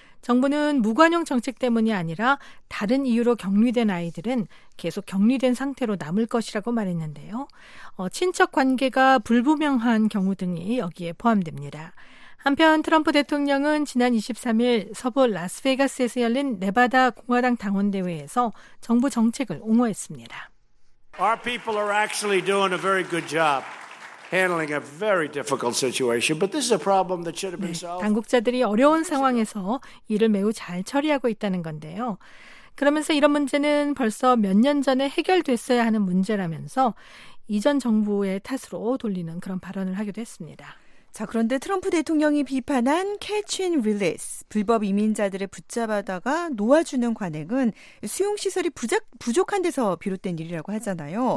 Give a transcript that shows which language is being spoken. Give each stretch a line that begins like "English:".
Korean: 정부는 무관용 정책 때문이 아니라 다른 이유로 격리된 아이들은 계속 격리된 상태로 남을 것이라고 말했는데요. 친척 관계가 불분명한 경우 등이 여기에 포함됩니다. 한편 트럼프 대통령은 지난 23일 서부 라스베가스에서 열린 네바다 공화당 당원대회에서 정부 정책을 옹호했습니다.
English: Our people are actually doing a very good job. Handling a very difficult situation, but this is a problem that should have been solved.
Korean: 네, 당국자들이 어려운 상황에서 일을 매우 잘 처리하고 있다는 건데요. 그러면서 이런 문제는 벌써 몇 년 전에 해결됐어야 하는 문제라면서 이전 정부의 탓으로 돌리는 그런 발언을 하기도 했습니다. 자, 그런데 트럼프 대통령이 비판한 catch and release, 불법 이민자들을 붙잡아다가 놓아주는 관행은 수용시설이 부족한 데서 비롯된 일이라고 하잖아요.